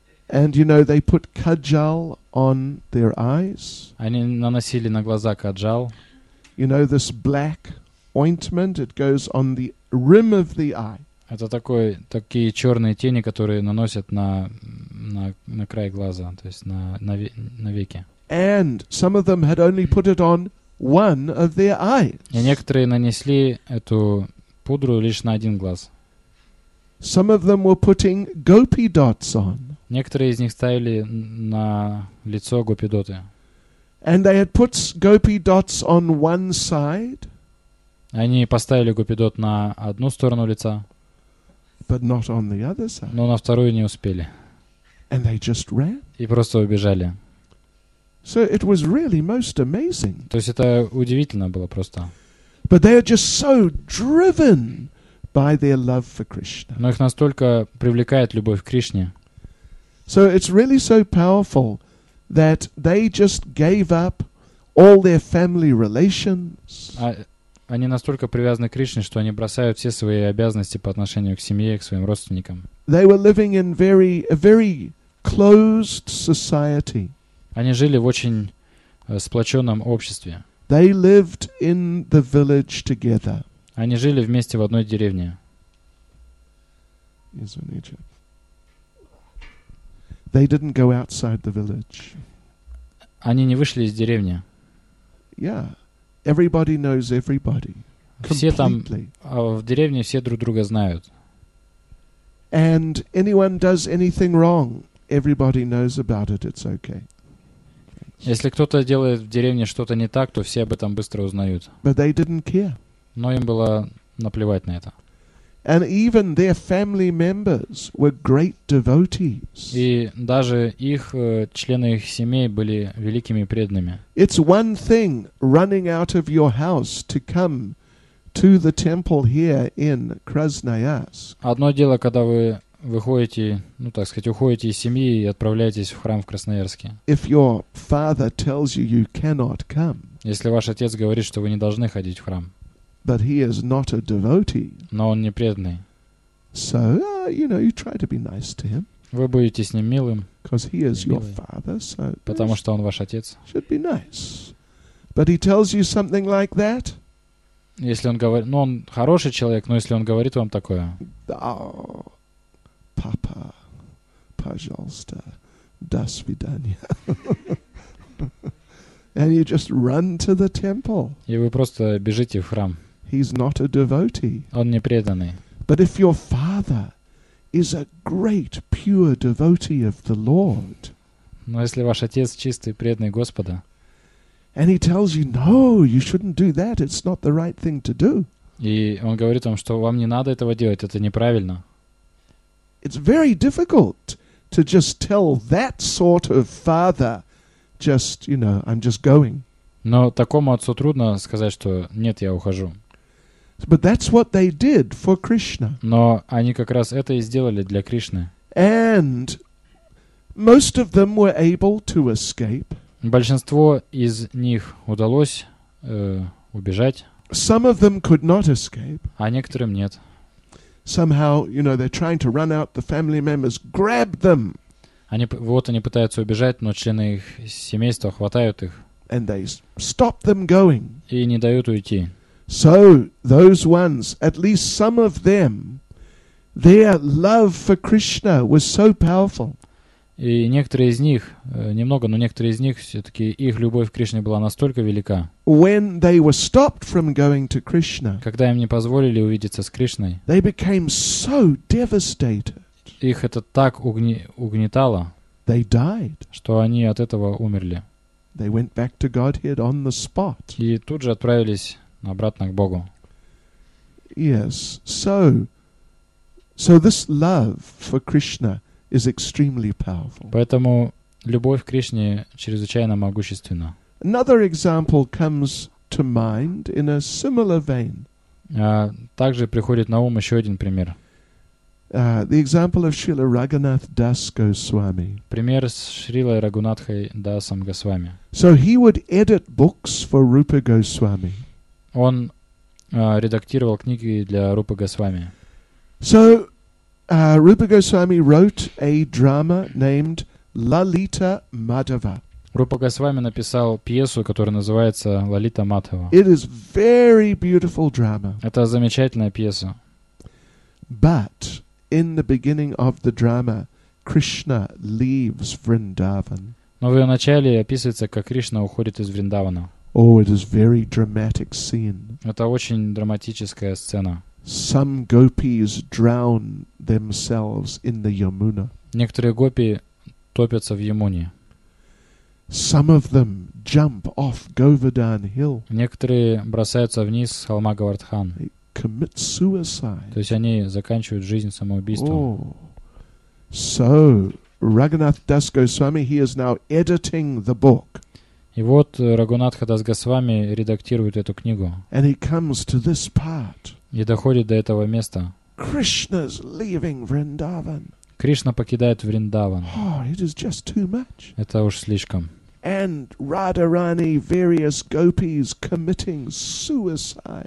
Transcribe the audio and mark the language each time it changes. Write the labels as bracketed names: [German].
[English] And you know they put kajal on their eyes. [Russian] Они наносили на глаза каджал. [English] You know this black ointment, it goes on the rim of the eye. [Russian] Это такие черные тени, которые наносят на край глаза, то есть на веки. [English] And some of them had only put it on one of their eyes. [Russian] И некоторые нанесли эту пудру лишь на один глаз. [English] Some of them were putting gopi dots on. [Russian] Некоторые из них ставили на лицо гопи-доты. [English] And they had put gopi dots on one side. [Russian] Они поставили гопи-дот на одну сторону лица. [English] But not on the other side. [Russian] Но на вторую не успели. [English] And they just ran. [Russian] И просто убежали. [English] So it was really most amazing. [Russian] То есть это удивительно было просто. [English] But they are just so driven by their love for Krishna. [Russian] Но их настолько привлекает любовь к Кришне. [English] So it's really so powerful that they just gave up all their family relations. [Russian] Они настолько привязаны к Кришне, что они бросают все свои обязанности по отношению к семье, к своим родственникам. [English] They were living in a very closed society. [Russian] Они жили в очень сплоченном обществе. [English] They lived in the village together. [Russian] Они жили вместе в одной деревне. Извините. [English] They didn't go outside the village. [Russian] Они не вышли из деревни. [English] Yeah. Everybody knows everybody. [Russian] Все там в деревне все друг друга знают. [English] And anyone does anything wrong, everybody knows about it. It's okay. [Russian] Если кто-то делает в деревне что-то не так, то все об этом быстро узнают. [English] But they didn't care. [Russian] Но им было наплевать на это. [English] And even their family members were great devotees. [Russian] И даже их члены их семей были великими преданными. [English] It's one thing running out of your house to come to the temple here in Krasnoyarsk. [Russian] Одно дело, когда вы выходите, так сказать, уходите из семьи и отправляетесь в храм в Красноярске. [English] If your father tells you you cannot come. [Russian] Если ваш отец говорит, что вы не должны ходить в храм. [English] But he is not a devotee. [Russian] Но он не преданный. [English] So, you know, you try to be nice to him. [Russian] Вы будете с ним милым. [English] Because he is your father, so. [Russian] Потому что он ваш отец. [English] Should be nice. But he tells you something like that. [Russian] Если он говорит, ну он хороший человек, но если он говорит вам такое. Папа, пожалуйста, до свидания. [English] And you just run to the temple. [Russian] И вы просто бежите в храм. [English] He's not a devotee. [Russian] Он не преданный. [English] But if your father is a great, pure devotee of the Lord. [Russian] Но если ваш отец чистый, преданный Господа. [English] And he tells you, no, you shouldn't do that. It's not the right thing to do. [Russian] И он говорит вам, что вам не надо этого делать. Это неправильно. [English] It's very difficult to just tell that sort of father. Just, you know, I'm just going. [Russian] Но такому отцу трудно сказать, что нет, я ухожу. [English] But that's what they did for Krishna. [Russian] Но они как раз это и сделали для Кришны. [English] And most of them were able to escape. [Russian] Большинство из них удалось убежать. [English] Some of them could not escape. [Russian] А некоторым нет. [English] Somehow, you know, they're trying to run out, the family members grab them. [Russian] Они, вот они пытаются убежать, но члены их семейства хватают их. [English] And they stop them going. [Russian] И не дают уйти. [English] So, those ones, at least some of them, their love for Krishna was so powerful. [Russian] И некоторые из них, немного, но некоторые из них, все-таки их любовь к Кришне была настолько велика. [English] When they were stopped from going to Krishna, [Russian] когда им не позволили увидеться с Кришной, [English] they became so devastated. [Russian] Их это так угнетало, [English] they died. [Russian] Что они от этого умерли. [English] They went back to Godhead on the spot. [Russian] И тут же отправились обратно к Богу. [English] Yes, so this love for Krishna is extremely powerful. [Russian] Поэтому любовь к Кришне чрезвычайно могущественна. [English] Another example comes to mind in a similar vein. [Russian] Также приходит на ум еще один пример. [English] The example of Srila Raghunath Das Goswami. [Russian] Пример с Шрила Рагунатхой Дасом Госвами. [English] So he would edit books for Rupa Goswami. [Russian] Он редактировал книги для Рупы Госвами. [English] So Rupa Goswami wrote a drama named Lalita Madhava. [Russian] Rupa Goswami написал пьесу, которая называется Лалита Мадхава. [English] It is very beautiful drama. [Russian] Это замечательная пьеса. [English] But in the beginning of the drama, Krishna leaves Vrindavan. [Russian] Но в ее начале описывается, как Кришна уходит из Вриндавана. [English] Oh, it is very dramatic scene. [Russian] Это очень драматическая сцена. [English] Some gopis drown themselves in the Yamuna. [Russian] Некоторые гопи топятся в Ямуне. [English] Some of them jump off Govardhan Hill. [Russian] Некоторые бросаются вниз с холма Говардхан. [English] They commit suicide. [Russian] То есть они заканчивают жизнь самоубийством. [English] So Raghunath Das Goswami, he is now editing the book. [Russian] И вот Рагунатха Дас Госвами редактирует эту книгу. [English] And he comes to this part. [Russian] И доходит до этого места. [English] Krishna's leaving Vrindavan. [Russian] Кришна покидает Вриндаван. [English] Oh, it is just too much. [Russian] Это уж слишком. [English] And Radharani, various gopis committing suicide.